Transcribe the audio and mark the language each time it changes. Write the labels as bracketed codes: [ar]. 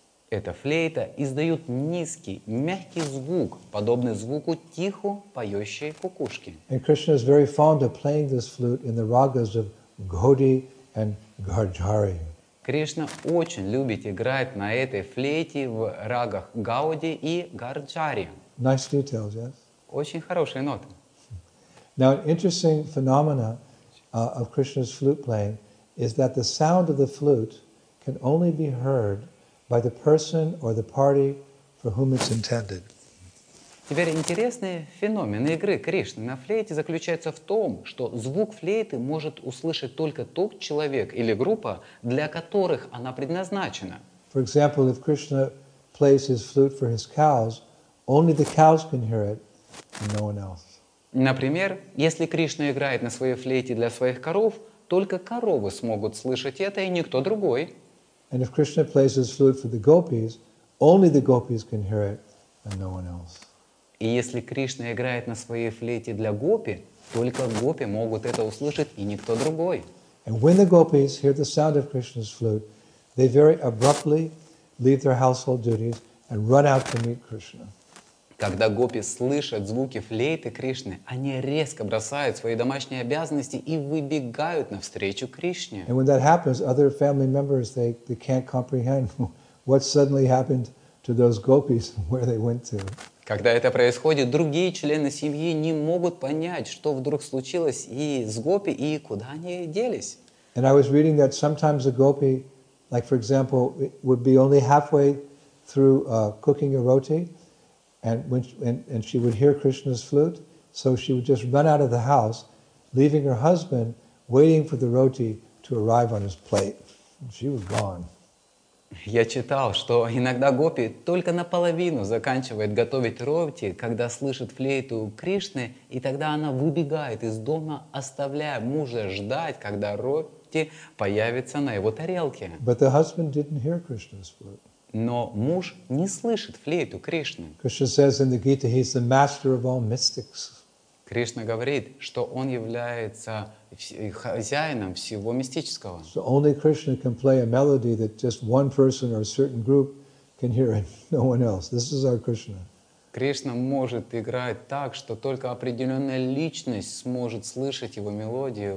[ru] Эта флейта издает низкий, мягкий звук, подобный звуку тихо поющей кукушки. [en] And Krishna is very fond of playing this flute in the ragas of Gaudi and Gargari. [ru] Кришна очень любит играть на этой флейте в рагах Гауди и Гарджари. [en] Nice details, yes? [ru] Очень хорошие ноты. [en] Now, an interesting phenomenon of Krishna's flute playing is that the sound of the flute can only be heard by the person or the party for whom it's intended. [ru] Теперь интересный феномен игры Кришны на флейте заключается в том, что звук флейты может услышать только тот человек или группа, для которых она предназначена. [en] For example, if Krishna plays his flute for his cows, only the cows can hear it, and no one else. [ru] Например, если Кришна играет на своей флейте для своих коров, только коровы смогут слышать это, и никто другой. [en] And if Krishna plays his flute for the gopis, only the gopis can hear it, and no one else. [ru] И если Кришна играет на своей флейте для гопи, только гопи могут это услышать, и никто другой. [en] And when the gopis hear the sound of Krishna's flute, they very abruptly leave their household duties and run out to meet Krishna. [ru] Когда гопи слышат звуки флейты Кришны, они резко бросают свои домашние обязанности и выбегают навстречу Кришне. [en] And when that happens, other family members, they can't comprehend what suddenly happened to those gopis and where they went to. [ru] Когда это происходит, другие члены семьи не могут понять, что вдруг случилось и с гопи, и куда они делись. [en] And I was reading that sometimes a gopi, like for example, would be only halfway through cooking a roti, and she would hear Krishna's flute, so she would just run out of the house, leaving her husband waiting for the roti to arrive on his plate. And she was gone. [ru] Я читал, что иногда гопи только наполовину заканчивает готовить роти, когда слышит флейту Кришны, и тогда она выбегает из дома, оставляя мужа ждать, когда роти появится на его тарелке. [en] But the husband didn't hear Krishna's flute. [ru] Но муж не слышит флейту Кришны. [en] Krishna says in the Gita, he's the master of all mystics. [ru] Кришна говорит, что он является хозяином всего мистического. [en] So only Krishna can play a melody that just one person or a certain group can hear and no one else. This is our Krishna. [ru] Кришна может играть так, что только определенная личность сможет слышать его мелодию.